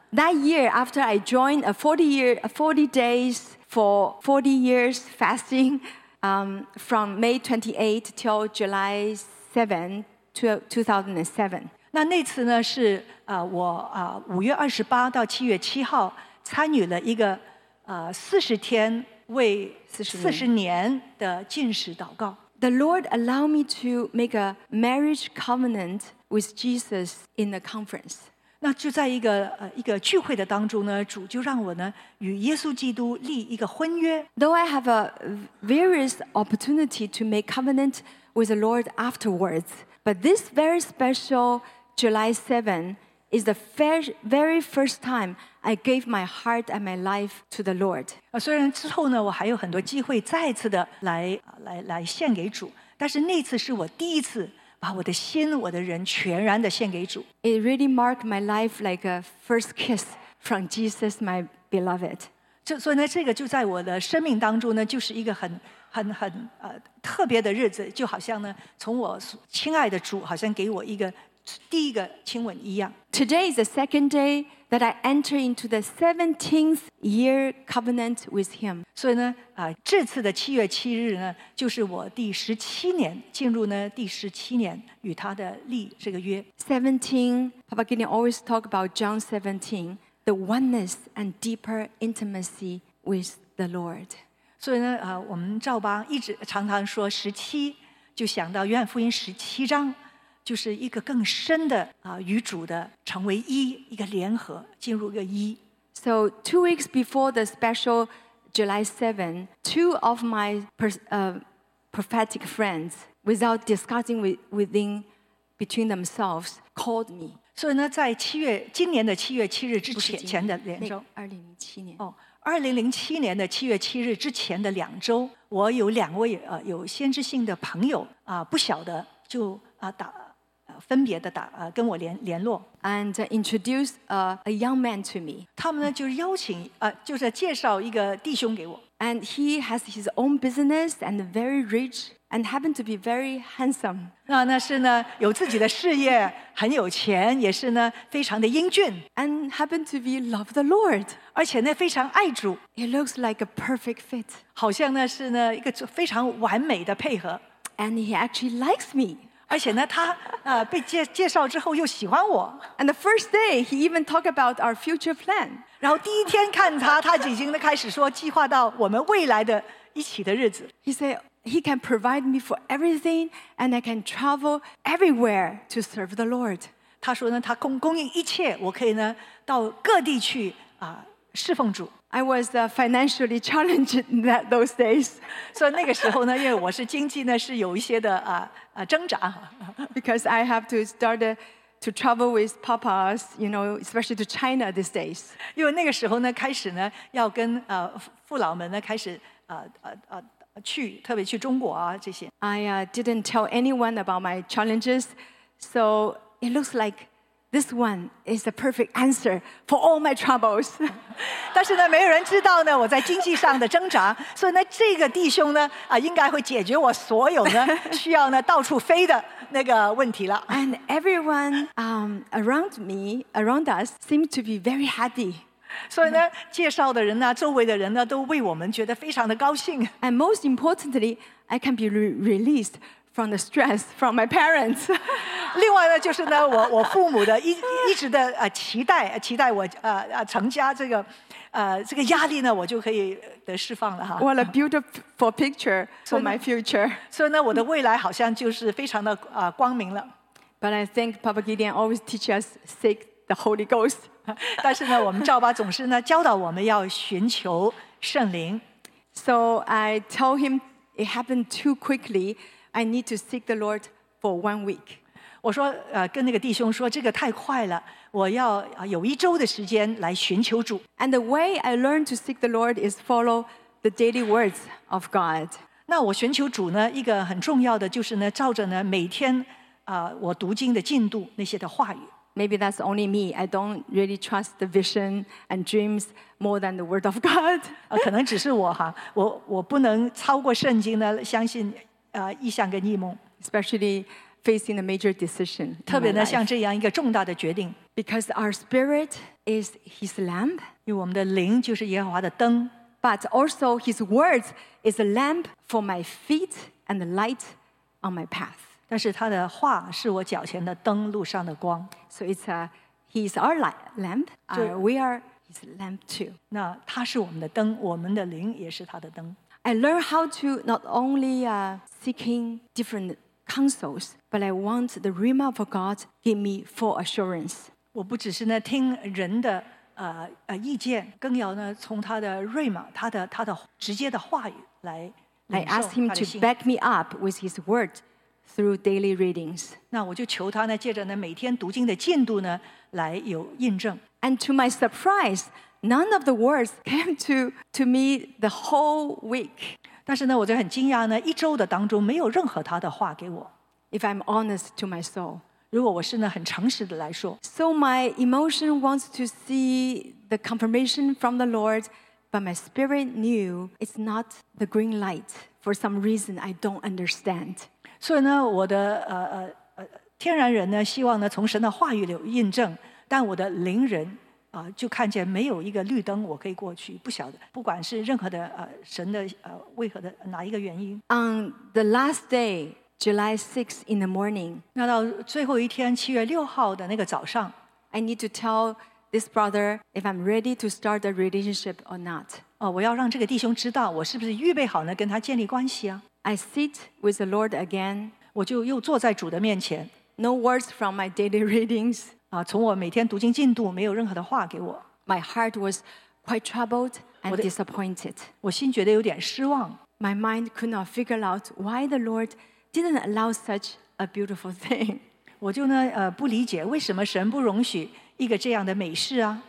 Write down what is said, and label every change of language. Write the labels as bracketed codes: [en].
[en] That year after I joined a 40 days for 40 years fasting from May 28 till July 7, 2007. [zh] 那那次呢是我五月二十八到七月七号参与了一个40天为40年的禁食祷告。 [en] The Lord allowed me to make a marriage covenant with Jesus in the conference. [zh] 那就在一个聚会的当中呢，主就让我呢与耶稣基督立一个婚约。 [en] Though I have a various opportunity to make covenant with the Lord afterwards, but this very special July 7 is the very first time I gave my heart and my life to the Lord. [zh] 虽然之后呢，我还有很多机会再次的来献给主，但是那次是我第一次把我的心、我的人全然的献给主。 [en] It really marked my life like a first kiss from Jesus, my beloved. [zh] 所以呢，这个就在我的生命当中呢，就是一个很特别的日子，就好像呢，从我亲爱的主好像给我一个第一个亲吻一样。 [en] Today is the second day that I enter into the 17th year covenant with him. [zh] 所以呢，这次的七月七日呢，就是我第十七年进入呢第十七年与他的立这个约。 [en] 17, Papa Gideon always talk about John 17, the oneness and deeper intimacy with the Lord. [zh] 所以呢，我们赵邦一直常常说十七，就想到约翰福音十七章。就是一个更深的与主的成为一，一个联合，进入一个一。 [en] So 2 weeks before the special July 7, two of my prophetic friends, without discussing between themselves, called me. [zh] 所以呢，在七月今年的七月七日之前的两周，2007年的七月七日之前的两周，我有两位有先知性的朋友不晓得就打。分别的打跟我联络 [en] ，and introduce a young man to me. [zh] 他们呢就是邀请就是介绍一个弟兄给我。 [en] And he has his own business and very rich and happened to be very handsome. [zh] 那是呢有自己的事业，很有钱，也是呢非常的英俊。 [en] And happened to be love the Lord. [zh] 而且呢非常爱主。 [en] It looks like a perfect fit. [zh] 好像呢是呢一个非常完美的配合。 [en] And he actually likes me. [zh] 而且呢，他被介绍之后又喜欢我。 [en] And the first day, he even talked about our future plan. [zh] 然后第一天看他已经开始说计划到我们未来的一起的日子。 [en] He said he can provide me for everything, and I can travel everywhere to serve the Lord. [zh] 他说呢，他供应一切，我可以呢到各地去侍奉主。 [en] I was financially challenged in those days. So [zh] 那个时候呢，因为我是经济呢是有一些的挣扎。 [en] Because I have to start to travel with papas, you know, especially to China these days. [zh] 因为那个时候呢，开始呢要跟父老们呢开始去，特别去中国啊这些。 [en] I didn't tell anyone about my challenges, so it looks like. This one is the perfect answer for all my troubles. [zh] 但是呢，没有人知道呢，我在经济上的挣扎，所以呢，这个弟兄呢，应该会解决我所有呢需要呢到处飞的那个问题了。 [en] And everyone around us seemed to be very happy. [zh] 所以呢，介绍的人呢，周围的人呢，都为我们觉得非常的高兴。 [en] And most importantly, I can be released from the stress from my parents. [zh] 另外呢，就是呢，我父母的一直的期待我成家这个这个压力呢，我就可以得释放了哈。 [en] What a beautiful picture for my future. [zh] 所以呢，我的未来好像就是非常的光明了。 [en] But I think Papa Gideon always teach us seek the Holy Ghost. [zh] 但是呢，我们赵爸总是呢教导我们要寻求圣灵。 [en] So I told him it happened too quickly. I need to seek the Lord for 1 week. [zh] 我说跟那个弟兄说这个太快了，我要有一周的时间来寻求主。 [en] And the way I learned to seek the Lord is follow the daily words of God. [zh] 那我寻求主呢，一个很重要的就是呢，照着呢每天我读经的进度那些的话语。 [en] Maybe that's only me. I don't really trust the vision and dreams more than the word of God. [zh] 可能只是我哈，我不能超过圣经呢，相信意象跟异梦。 [en] Especially facing a major decision. [zh] 特别呢，像这样一个重大的决定。 [en] Because our spirit is His lamp. [zh] 因为我们的灵就是耶和华的灯。 [en] But also His words is a lamp for my feet and the light on my path. [zh] 但是他的话是我脚前的灯，路上的光。 [en] So it's he is our lamp, we are his lamp too. [zh] 那他是我们的灯，我们的灵也是他的灯。 [en] I learn how to not only seeking different counsels, but I want the rhema of God give me full assurance. [zh] 我不只是呢听人的意见，更要呢从他的瑞玛，他的直接的话语来领受。 [en] I ask him to back me up with his word. Through daily readings. [zh] 那我就求他呢，借着呢每天读经的进度呢，来有印证。 [en] And to my surprise, none of the words came to me the whole week. [zh] 但是呢，我就很惊讶呢，一周的当中没有任何他的话给我。 [en] If I'm honest to my soul, [zh] 如果我是呢很诚实的来说。 [en] So my emotion wants to see the confirmation from the Lord, but my spirit knew it's not the green light for some reason I don't understand. [zh] 所以呢，我的天然人呢，希望呢从神的话语里印证，但我的灵人就看见没有一个绿灯，我可以过去，不晓得，不管是任何的神的为何的哪一个原因。 [en] On the last day, July 6th in the morning. [zh] 那到最后一天，七月六号的那个早上。 [en] I need to tell this brother if I'm ready to start the relationship or not. [zh] 我要让这个弟兄知道我是不是预备好呢跟他建立关系啊。 [en] I sit with the Lord again. [zh] 我就又坐在主的面前。 [en] No words from my daily readings. [zh] 从我每天读经进度，没有任何的话给我。 [en] My heart was quite troubled and disappointed. [zh] 我心觉得有点失望。 [en] My mind could not figure out why the Lord didn't allow such a beautiful thing. [zh] 我就呢不理解为什么神不容许一个这样的美事啊。